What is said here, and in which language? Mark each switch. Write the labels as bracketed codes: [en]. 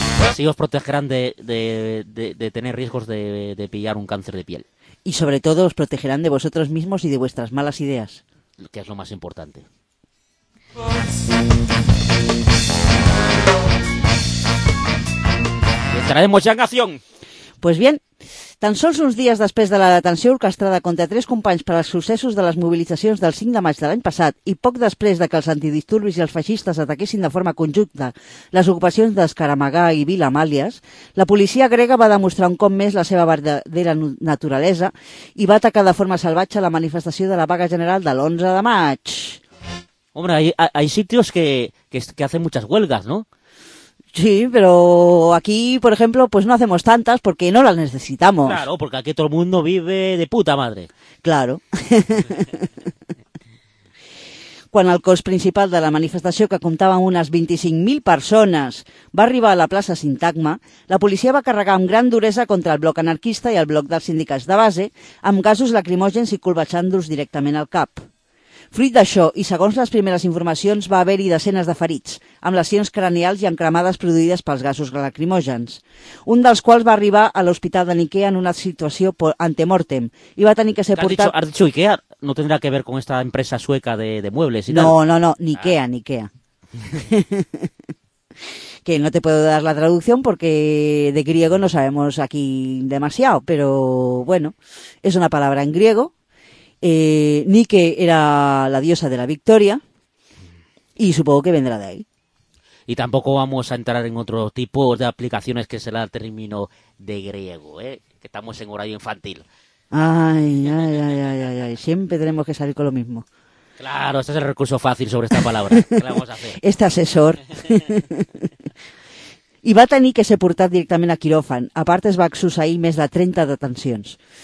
[es] Así os protegerán de tener riesgos de pillar un cáncer de piel. Y sobre todo os protegerán de vosotros mismos y de vuestras malas ideas. Que es lo más importante. ¡Entraremos ya en acción! [ca] Pues bien, tan sols uns dies després de la detenció orquestrada contra tres companys per als successos de les mobilitzacions del 5 de maig de l'any passat i poc després de que els antidisturbis i els feixistes ataquessin de forma conjunta les ocupacions d'Escaramagà i Vila Amàlies, la policia grega va demostrar un cop més la seva verdadera naturalesa i va atacar de forma salvatge la manifestació de la vaga general de l'11 de maig. [es] Hombre, hay sitios que hacen muchas huelgas, ¿no? Sí, pero aquí, por ejemplo, pues no hacemos tantas porque no las necesitamos. Claro, porque aquí todo el mundo vive de puta madre. Claro. [ca] Quan el cos principal de la manifestació, que comptava amb unes 25.000 persones, va arribar a la plaça Sintagma, la policia va carregar amb gran duresa contra el bloc anarquista i el bloc dels sindicats de base, amb gasos lacrimògens i colbatxant-los directament al cap. Fruit d'això, i segons les primeres informacions, va haver-hi desenes de ferits, amb lesions cranials i amb cremades produïdes pels gasos lacrimògens, un dels quals va arribar a l'hospital de Niquea en una situació antemortem i va tenir que ser portat... [es] Has dicho Ikea? No tendrá que ver con esta empresa sueca de muebles y no, tal. No, Niquea, ah. Niquea. Que no te puedo dar la traducción porque de griego no sabemos aquí demasiado, pero bueno, es una palabra en griego. Nike era la diosa de la victoria y supongo que vendrá de ahí. Y tampoco vamos a entrar en otro tipo de aplicaciones que será el término de griego, ¿eh? Que estamos en horario infantil. Ay, siempre tenemos que salir con lo mismo. Claro, este es el recurso fácil sobre esta palabra. ¿Qué la vamos a hacer? Este asesor. [ca] I va tenir que ser portat directament a quiròfan. A part, es va succeir més de 30 detencions.